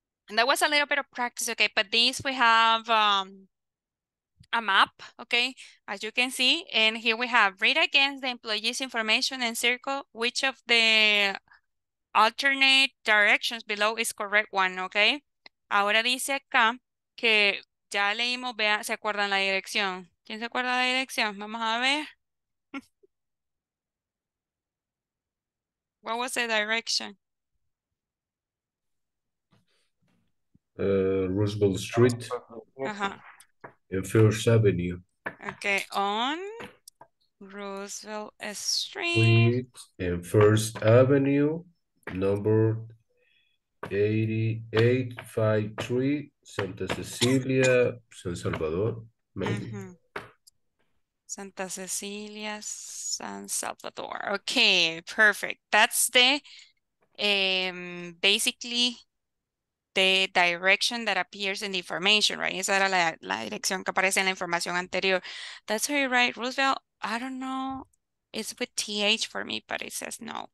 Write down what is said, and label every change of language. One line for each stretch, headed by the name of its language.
English: And that was a little bit of practice, okay? But these, we have a map, okay? As you can see, and here we have read against the employee's information and circle, which of the alternate directions below is correct one, okay?
Spanish: Ahora dice acá que ya leímos, vea, ¿se acuerdan la dirección? ¿Quién se acuerda de la dirección? Vamos a ver.
English: What was the direction? Roosevelt Street.
Spanish: Ajá.
English: And First Avenue. Okay, on Roosevelt Street. And First Avenue, number 8853 Santa Cecilia, San Salvador. Santa Cecilia, San Salvador. Okay, perfect. That's the basically the direction that appears in the information, right?
Spanish: Esa era la dirección que aparece en la información anterior.
English: That's very right, Roosevelt. I don't know. It's with TH for me, but it says no.